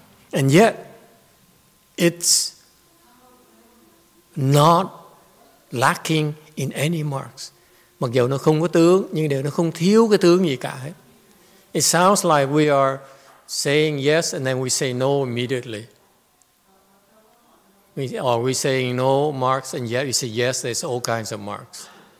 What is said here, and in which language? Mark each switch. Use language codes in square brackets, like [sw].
[en] And yet, it's not lacking in any marks. [vi] Mặc dù nó không có tướng, nhưng đều nó không thiếu cái tướng gì cả. [en] It sounds like we are saying yes and then we say no immediately. Are we saying no marks and yet we say yes, there's all kinds of marks.